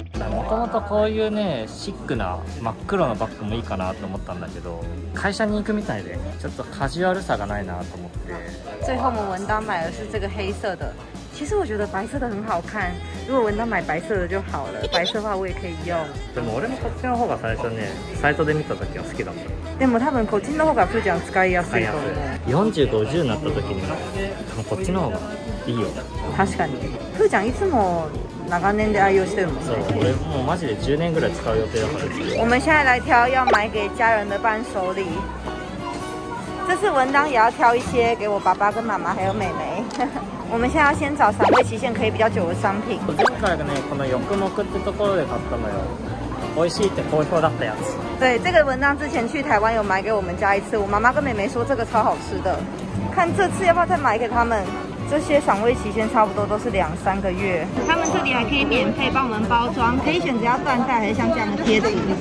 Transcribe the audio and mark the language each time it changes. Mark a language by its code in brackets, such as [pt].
[ja] もともとこういうねシックな真っ黒のバッグもいいかなと思ったんだけど、会社に行くみたいでちょっとカジュアルさがないなと思って。 [zh] 最后我们文当买的是这个黑色的，其实我觉得白色的很好看，如果文当买白色的就好了，白色的话我也可以用。 [ja] でも俺もこっちの方が最初ねサイトで見た時は好きだった。でも多分こっちの方がプーちゃん使いやすいと思う。 40、50になった時にはこっちの方がいいよ。確かに。プーちゃんいつも。長年で愛用してるもんね。そう、これもうマジで10年ぐらい使う予定だから。 [zh] 我们现在来挑要买给家人的伴手礼。这次文当也要挑一些给我爸爸跟妈妈还有妹妹。我们现在要先找三个期限可以比较久的商品。前回的呢， [ja] この欲目ってところで買ったのよ。美味しいって好評だったやつ。 [zh] 对，这个文当之前去台湾有买给我们家一次，我妈妈跟妹妹说这个超好吃的。看这次要不要再买给他们？这些赏味期限差不多都是两三个月，他们这里还可以免费帮我们包装，可以选择要缎带还是像这样的贴纸。